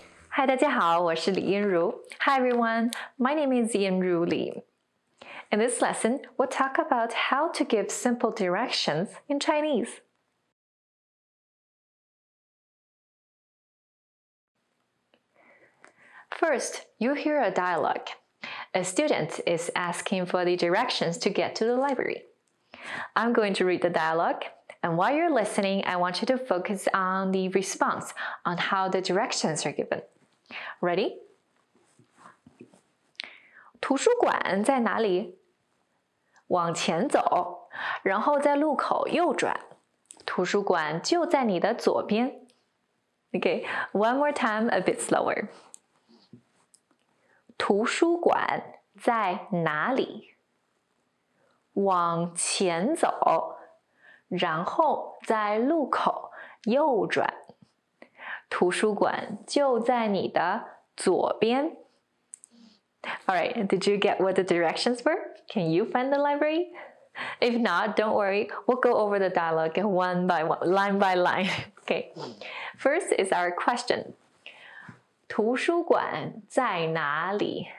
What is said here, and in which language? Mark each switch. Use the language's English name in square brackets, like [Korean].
[Chinese] Hi, 大家好，我是李彦如。 [English] Hi, everyone. My name is 彦如 Li. In this lesson, we'll talk about how to give simple directions in Chinese. First, you hear a dialogue. A student is asking for the directions to get to the library. I'm going to read the dialogue. And while you're listening, I want you to focus on the response, on how the directions are given. Ready? [Chinese] 图书馆在哪里？往前走，然后在路口右转。图书馆就在你的左边。 [English] Okay, one more time, a bit slower. 图书馆在哪里？往前走。然后在路口右转，图书馆就在你的左边。 All right, did you get what the directions were? Can you find the library? If not, don't worry. We'll go over the dialogue one by one, line by line. Okay. First is our question. [Chinese] 图书馆在哪里?